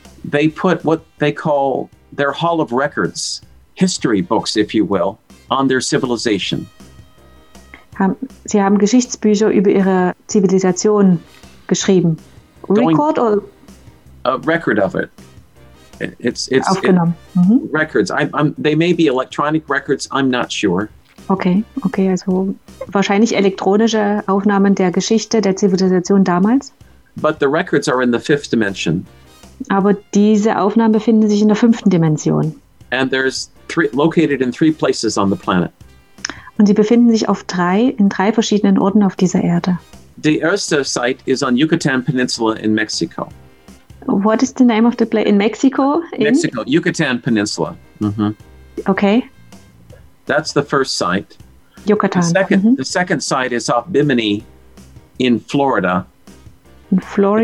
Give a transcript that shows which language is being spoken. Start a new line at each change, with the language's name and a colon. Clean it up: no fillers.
English: They put what they call their hall of records, history books, if you will, on their civilization.
German: Sie haben Geschichtsbücher über ihre Zivilisation geschrieben.
English: Record or? A record of it. It's
German: aufgenommen.
English: Records. They may be electronic records, I'm not sure.
German: Okay, also wahrscheinlich elektronische Aufnahmen der Geschichte der Zivilisation damals.
English: But the records are in the fifth dimension.
German: Aber diese Aufnahmen befinden sich in der fünften Dimension.
English: And there's three, located in three places on the planet.
German: Und sie befinden sich auf drei, in drei verschiedenen Orten auf dieser Erde.
English: The erste site is on Yucatan Peninsula in Mexico. What is the name of the place? In Mexico? Mexico, Yucatan Peninsula. Mm-hmm. Okay. That's the first site. Yucatan. The second site is off Bimini in Florida. In Florida?